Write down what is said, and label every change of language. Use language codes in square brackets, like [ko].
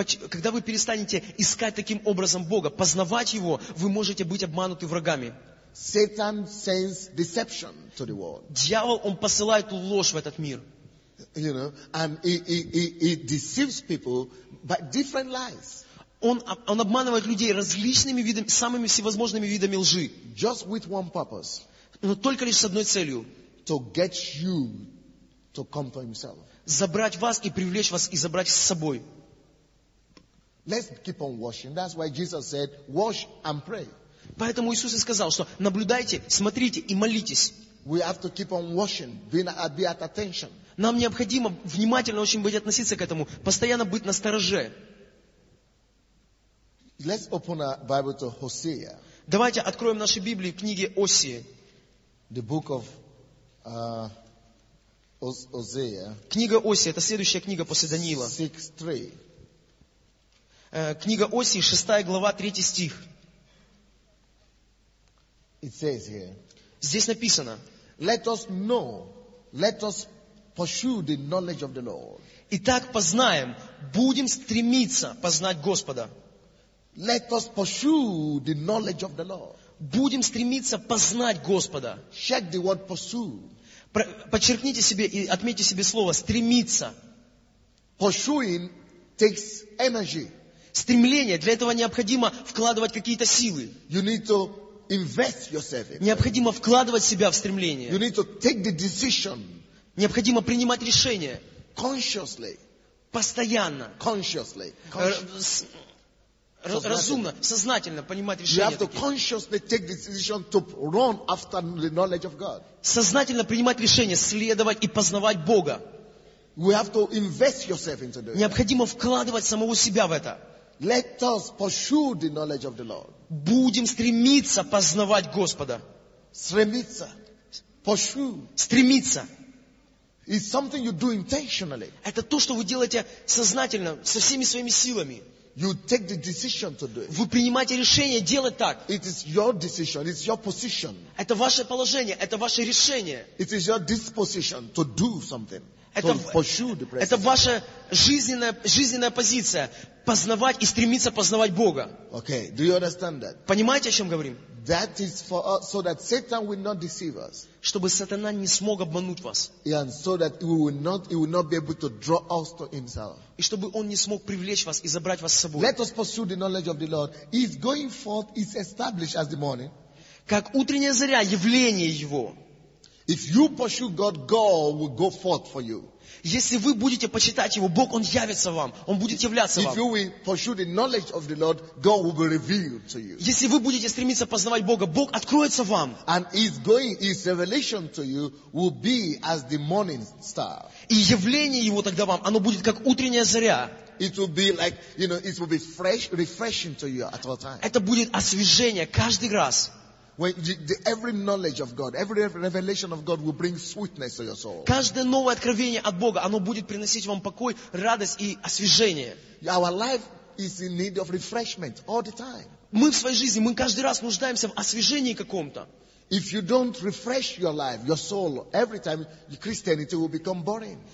[ru] Когда вы перестанете искать таким образом Бога, познавать Его, вы можете быть обмануты врагами. [en] Satan sends deception to the world. [ru] Дьявол, он посылает ложь в этот мир. [en] You know, and he deceives people by different lies. [ru] Он обманывает людей различными видами, самыми всевозможными видами лжи. [en] Just with one purpose. [ru] Но только лишь с одной целью. [en] To get you to come to himself. [ru] Забрать вас и привлечь вас и забрать с собой. [en] Let's keep on washing. That's why Jesus said, wash and pray. [ru] Поэтому Иисус и сказал, что наблюдайте, смотрите и молитесь. [en] We have to keep on washing, be at attention. [ru] Нам необходимо внимательно очень быть относиться к этому, постоянно быть настороже. [en] Let's open our Bible to Hosea. [ru] Давайте откроем наши Библии в книге Осии. [en] The book of Hosea. [ru] Книга Осии, это следующая книга после Даниила. [en] 6:3. [ru] Книга Осии, 6 глава, 3 стих. [en] It says here. [ru] Здесь написано. [en] Let us know, let us pursue the knowledge of the Lord. [ru] Итак, познаем, будем стремиться познать Господа. [en] Let us pursue the knowledge of the Lord. [ru] Будем стремиться познать Господа. [en] Check the word pursue. [ru] Подчеркните себе и отметьте себе слово стремиться. [en] Pursuing takes energy. [ru] Стремление, для этого необходимо вкладывать какие-то силы. [en] You need to invest yourself in. [ru] Необходимо вкладывать себя в стремление. [en] You need to take the decision. [ru] Необходимо принимать решение. [en] Consciously. [ru] Постоянно. [en] Consciously. [ru] Разумно, сознательно понимать решение. [en] You have to consciously take the decision to run after the knowledge of God. [ru] Сознательно принимать решение следовать и познавать Бога. [en] We have to invest yourself into it. [ru] Необходимо вкладывать самого себя в это. [en] Let us pursue the knowledge of the Lord. [ru] Будем стремиться познавать Господа. Стремиться. Pursue. Стремиться. [en] It's something you do intentionally. [ru] Это то, что вы делаете сознательно, со всеми своими силами. [en] You take the decision to do it. [ru] Вы принимаете решение делать так. [en] It is your decision, it's your position. [ru] Это ваше положение, это ваше решение. [en] It is your disposition to do something. To pursue the presence. [ru] Это ваша жизненная позиция. Познавать и стремиться познавать Бога. [en] Okay, do you understand that? [ru] Понимаете, о чем говорим? [en] That is for us, so that Satan will not deceive us. [ru] Чтобы сатана не смог обмануть вас. [en] Yeah, and so that he will not be able to draw us to himself. [ru] И чтобы он не смог привлечь вас и забрать вас с собой. [en] Let us pursue the knowledge of the Lord. His going forth is established as the morning. [ru] Как утренняя заря, явление его. [en] If you pursue God, God will go forth for you. [ru] Если вы будете почитать его, Бог, он явится вам, он будет являться вам. [en] If you will pursue the knowledge of the Lord, God will be revealed to you. [ru] Если вы будете стремиться познавать Бога, Бог откроется вам. [en] And his revelation to you will be as the morning star. [ru] И явление его тогда вам, оно будет как утренняя заря. [en] It will be like, you know, it will be fresh, refreshing to you at all times. [ru] Это будет освежение каждый раз. [en] When every knowledge of God, every revelation of God will bring sweetness to your soul. [ru] Каждое новое откровение от Бога, оно будет приносить вам покой, радость и освежение. [en] Our life is in need of refreshment all the time. [ru] Мы в своей жизни, мы каждый раз нуждаемся в освежении каком-то. [en] If you don't refresh your life, your soul, every time your Christianity will become boring.